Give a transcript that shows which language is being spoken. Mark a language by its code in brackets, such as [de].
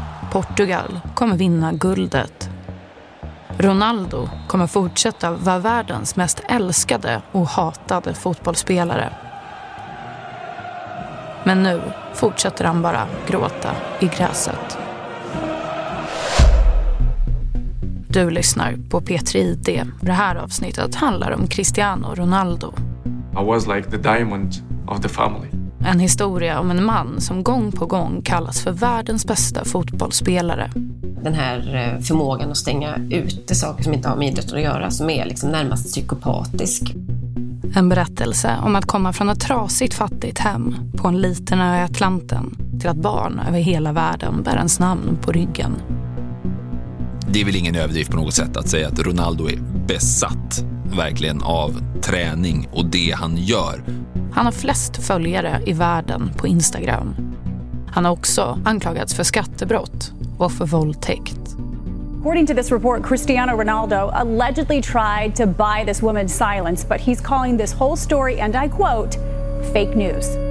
[sv] Portugal kommer vinna guldet. Ronaldo kommer fortsätta vara världens mest älskade och hatade fotbollsspelare. Men nu fortsätter han bara gråta i gräset. Du lyssnar på P3 ID. Det här avsnittet handlar om Cristiano Ronaldo. [en] I was like the diamond of the family. [sv] En historia om en man som gång på gång kallas för världens bästa fotbollsspelare. Den här förmågan att stänga ute saker som inte har med idrott att göra, som är liksom närmast psykopatisk. En berättelse om att komma från ett trasigt fattigt hem på en liten ö i Atlanten till att barn över hela världen bär ens namn på ryggen. Det är väl ingen överdrift på något sätt att säga att Ronaldo är besatt verkligen av träning och det han gör. Han har flest följare i världen på Instagram. Han har också anklagats för skattebrott och för våldtäkt. [en] According to this report, Cristiano Ronaldo allegedly tried to buy this woman's silence, but he's calling this whole story, and I quote, fake news.